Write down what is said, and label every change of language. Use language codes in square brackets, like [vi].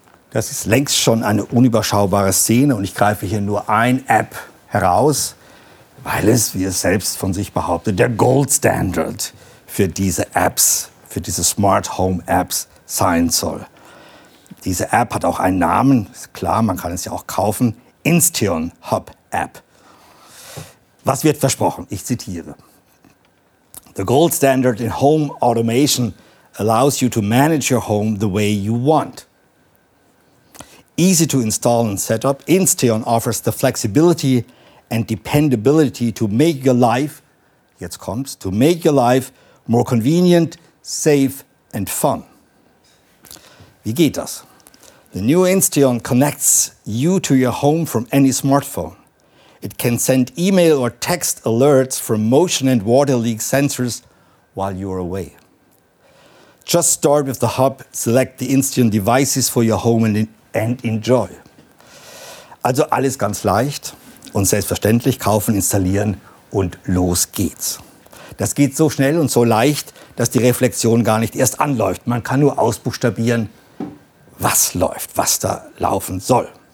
[de] Das ist längst schon eine unüberschaubare Szene und ich greife hier nur ein App heraus, weil es, wie es selbst von sich behauptet, der Goldstandard für diese Apps, für diese Smart Home Apps sein soll. Diese App hat auch einen Namen, ist klar, man kann es ja auch kaufen, Insteon Hub App. Was wird versprochen? Ich zitiere. [en] The gold standard in home automation allows you to manage your home the way you want. Easy to install and set up, Insteon offers the flexibility and dependability to make your life, [de] jetzt kommt's, [en] to make your life more convenient, safe and fun. [de] Wie geht das? [en] The new Insteon connects you to your home from any smartphone. It can send email or text alerts from motion and water leak sensors while you are away. Just start with the hub, select the Insteon devices for your home and enjoy. [de] Also alles ganz leicht und selbstverständlich, kaufen, installieren und los geht's. Das geht so schnell und so leicht, dass die Reflexion gar nicht erst anläuft. Man kann nur ausbuchstabieren, was läuft, was da laufen soll.